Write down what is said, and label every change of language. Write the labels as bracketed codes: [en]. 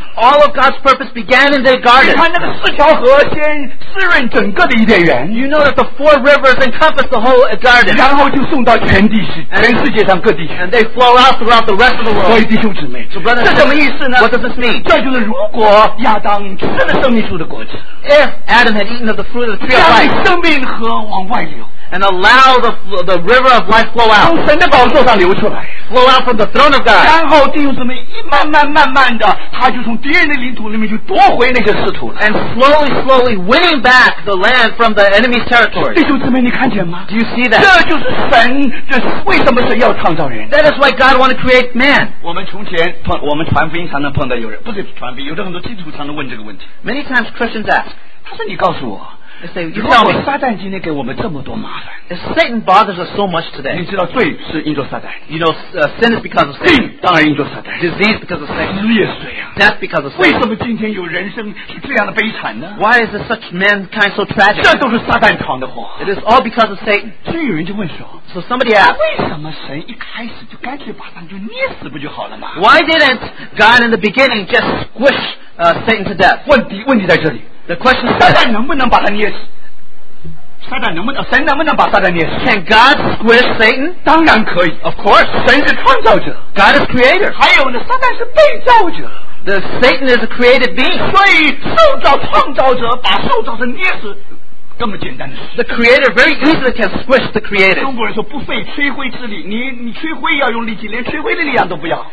[en] All of God's purpose began in the garden. You know that the four rivers encompass the whole garden. [zh] 然后就送到全地, [en] and they flow out throughout the rest of the world. [zh] 所以弟兄姊妹, [en] so brothers, what does this mean? [zh] 这就是如果亚当吃了生命树的果子, [en] if Adam had eaten of the fruit of the tree of life, [zh] 让生命河往外流, [en] and allow the river of life flow out. [zh] 从神的宝座上流出来。 [en] Flow out from the throne of God. [zh] 然后弟兄姊妹一慢慢慢慢的，他就从敌人的领土里面就夺回那些失土了。 [en] And slowly, slowly winning back the land from the enemy's territory. [zh] 弟兄姊妹你看见吗？ [en] Do you see that? [zh] 这就是神，这为什么神要创造人？ [en] That is why God wanted to create man. [zh] 我们从前碰，我们传福音常常碰到有人，不是传福音，有的很多基督徒常常问这个问题。 [en] Many times Christians ask. [zh] 他说你告诉我。 [en] If Satan bothers us so much today, you know, sin is because of Satan. Sin, [zh] 当然因着撒旦。 [en] Disease because of Satan. [zh] 死也是这 [en] 样。Death because of Satan. [zh] 为什么今天有人生是这样的悲惨呢？ [en] Why is such mankind so tragic? [zh] 这都是撒旦闯的祸。 [en] It is all because of Satan. [zh] 所以有人就问说， [en] So somebody asked, [zh] 为什么神一开始就干脆把他就捏死不就好了吗？ [en] Why didn't God in the beginning just squish Satan to death? [zh] 问题在这里。 [en] The question is, [zh] 撒旦能不能把他捏死？撒旦能不能？神能不能把撒旦捏死？ [en] Can God squish Satan? [zh] 当然可以。 [en] Of course, [zh] 神是创造者。 [en] God is creator. [zh] 还有呢，撒旦是被造者。 [en] The Satan is a created being. [zh] 所以受造创造者把受造者捏死，这么简单的事。 [en] The creator very easily can squish the creator. [zh] 中国人说不费吹灰之力，你吹灰要用力气，连吹灰的力量都不要。